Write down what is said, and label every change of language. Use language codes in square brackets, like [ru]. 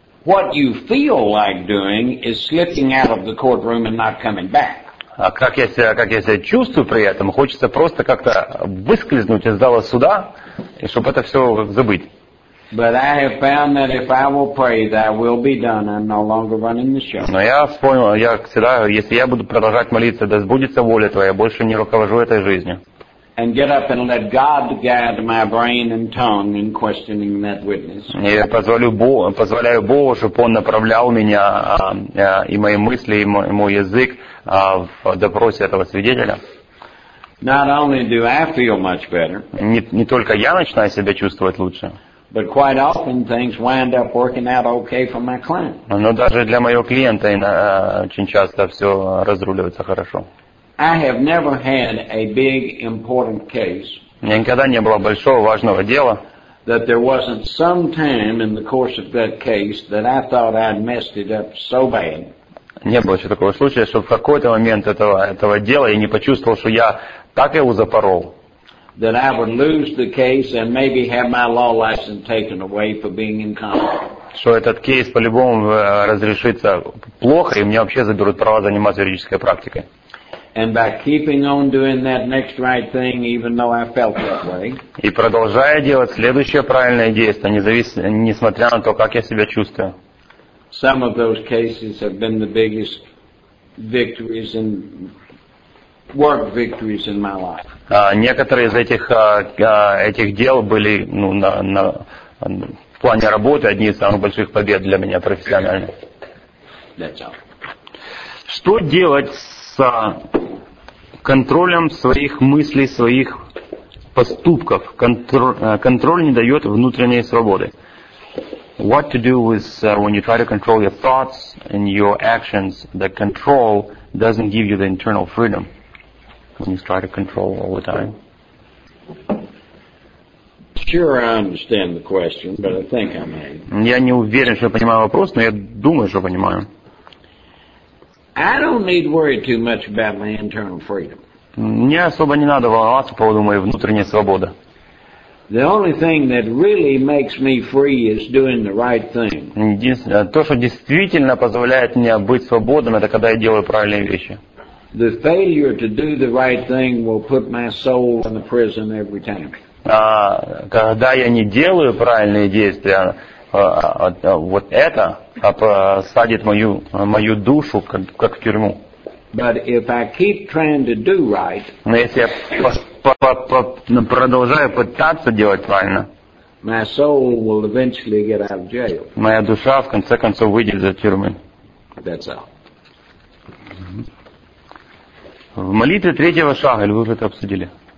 [en] What you feel like doing is slipping out of the courtroom and not coming back. [ru] А как я себя чувствую при этом, хочется просто как-то выскользнуть из зала суда, и чтобы это все забыть. [en] But I have found that if I will pray, that will be done. I'm no longer running the show. [ru] Но я понял, я всегда, если я буду продолжать молиться, да сбудется воля твоя, больше не руковожу этой жизнью. [en] And get up and let God guide my brain and tongue in questioning that witness. [ru] И позволяю Богу, чтобы он направлял меня и мои мысли, и мой язык в допросе этого свидетеля. [en] Not only do I feel much better. [ru] Не только я начинаю себя чувствовать лучше. [en] But quite often things wind up working out okay for my client. [ru] Но даже для моего клиента очень часто все разруливается хорошо. [en] I have never had a big important case. [ru] Никогда не было большого важного дела. [en] That there wasn't some time in the course of that case that I thought I'd messed it up so bad. [ru] Не было еще такого случая, чтобы в какой-то момент этого дела я не почувствовал, что я так его запорол. [en] That I would lose the case and maybe have my law license taken away for being incompetent. [ru] Что этот кейс по-любому разрешится плохо, и мне вообще заберут права заниматься юридической практикой. [en] And by keeping on doing that next right thing, even though I felt that way. [ru] И продолжая делать следующее правильное действие, несмотря на то, как я себя чувствую. [en] Some of those cases have been the biggest victories and work victories in my life. [ru] Некоторые из этих дел были, ну, на в плане работы одни из самых больших побед для меня профессионально. [en] That's all. [ru] Что делать с контролем своих мыслей, своих поступков? Контроль не дает внутренней свободы. [en] What to do with when you try to control your thoughts and your actions, the control doesn't give you the internal freedom. When you try to control all the time. Sure, I understand the question, but I think I may. [ru] Я не уверен, что понимаю вопрос, но я думаю, что понимаю. [en] I don't need worry too much about my internal freedom. [ru] Мне особо не надо волноваться по поводу моей внутренней свободы. [en] The only thing that really makes me free is doing the right thing. [ru] То, что действительно позволяет мне быть свободным, это когда я делаю правильные вещи. [en] the failure to do the right thing will put my soul in the prison every time. [ru] А когда я не делаю правильные действия, вот это посадит мою душу как в тюрьму. [en] But if I keep trying to do right, [ru] но если я продолжаю пытаться делать правильно, [en] my soul will eventually get out of jail. [ru] Моя душа в конце концов выйдет за тюрьмы. [en] That's all. [ru] В молитве третьего шага, или вы уже это обсудили?